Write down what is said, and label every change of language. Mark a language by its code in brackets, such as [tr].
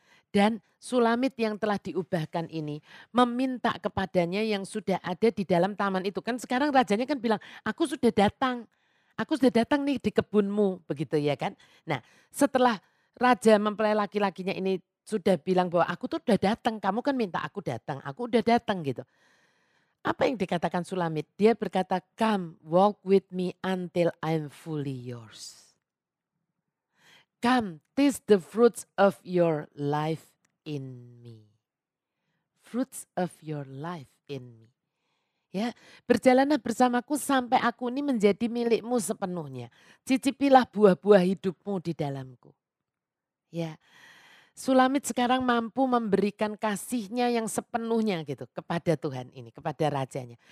[id] Dan Sulamit yang telah diubahkan ini meminta kepadanya yang sudah ada di dalam taman itu. Kan sekarang rajanya kan bilang, aku sudah datang. Aku sudah datang nih di kebunmu. Begitu ya kan? Nah setelah raja mempelai laki-lakinya ini sudah bilang bahwa aku tuh sudah datang. Kamu kan minta aku datang. Aku sudah datang gitu. Apa yang dikatakan Sulamit? Dia berkata, [en] come walk with me until I'm fully yours. Come, taste the fruits of your life in me. Fruits of your life in me. [id] Ya, berjalanlah bersamaku sampai aku ini menjadi milikmu sepenuhnya. Cicipilah buah-buah hidupmu di dalamku. Ya, Sulamit sekarang mampu memberikan kasihnya yang sepenuhnya gitu kepada Tuhan ini, kepada rajanya.